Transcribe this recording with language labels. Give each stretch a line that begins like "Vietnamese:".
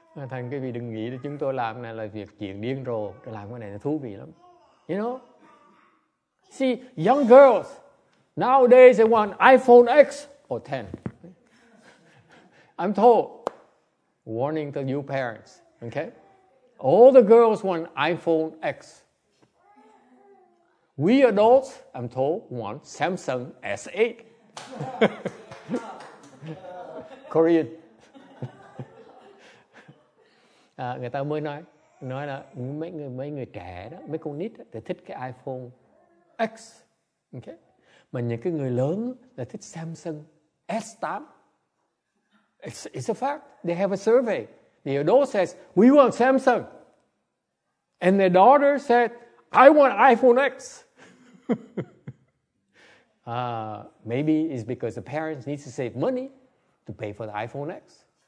Vietnamese: Thằng cái vị đừng nghĩ là chúng tôi làm này là việc chuyện điên rồ, làm cái này nó thú vị lắm.
English: You know? See, young girls, nowadays they want iPhone X or 10. I'm told, warning to you parents, okay? All the girls want iPhone X. We adults, I'm told, want Samsung S8. Korean.
Vietnamese: À, người ta mới nói là mấy người trẻ đó, mấy con nít thì thích cái iPhone X, okay, mà những cái người lớn là thích Samsung S8.
English: It's a fact. They have a survey. The adult says we want Samsung, and their daughter said I want iPhone X. Maybe it's because the parents need to save money to pay for the iPhone X.